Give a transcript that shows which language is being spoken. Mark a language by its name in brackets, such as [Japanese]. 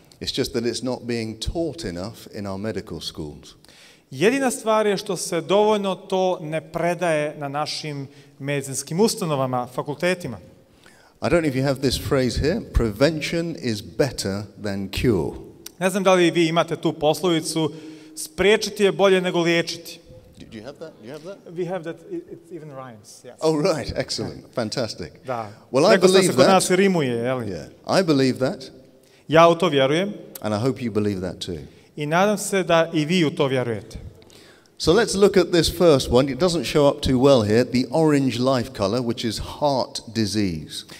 [English] It's just that it's not being taught enough in our medical schools. [Bosnian] Jedina stvar je što se dovoljno to ne predaje na našim medicinskim ustanovama, fakultetima. [English] I don't know if you have this phrase here, prevention is better than cure. [Bosnian] Ne znam da li vi imate tu poslovicu, spriječiti je bolje nego liječiti. [English] Do you have that? Do you have that? We have that, it even rhymes, yes. Oh right, excellent, fantastic. [Bosnian] Da. [English] Well, I believe that. [Bosnian] Neko se kod nas rimuje, jel? [English] Yeah, I believe that. [Bosnian] Ja u to vjerujem. [English] And I hope you believe that too. [Bosnian] I nadam se da i vi u to vjerujete. [English] So let's look at this first one. It doesn't show up too well here. The orange life color, which is heart disease.